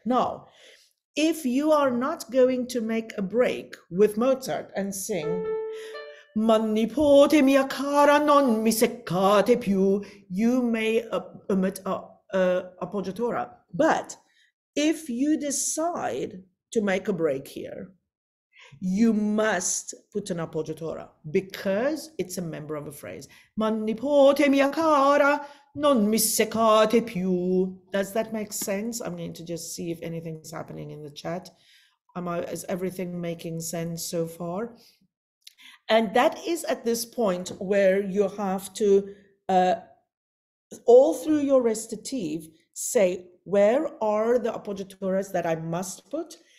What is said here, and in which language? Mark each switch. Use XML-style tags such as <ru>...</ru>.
<en>Now, if you are not going to make a break with Mozart and sing,</en> <it>"Ma nipote mia cara non mi seccate più,"</it> <en>you may omit a appoggiatura. But if you decide to make a break here, you must put an appoggiatura because it's a member of a phrase.</en> <it>Man nipote mia cara, non mi seccate più.</it> <en>Does that make sense? I'm going to just see if anything's happening in the chat. Is everything making sense so far? And that is at this point where you have to, all through your recitative, say, where are the appoggiaturas that I must put?</en>